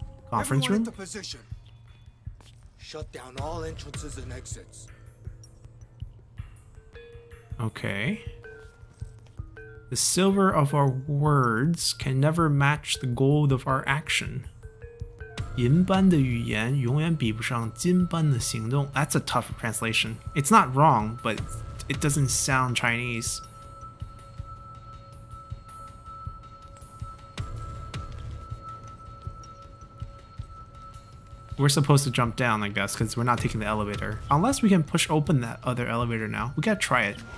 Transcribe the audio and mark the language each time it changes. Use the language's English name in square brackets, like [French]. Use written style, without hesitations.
[English] Conference room? The position. Shut down all entrances and exits. Okay. The silver of our words can never match the gold of our action. [Chinese] 银般的语言永远比不上金般的行动. [English] That's a tough translation. It's not wrong, but it doesn't sound Chinese. We're supposed to jump down, I guess, because we're not taking the elevator. Unless we can push open that other elevator now. We gotta try it.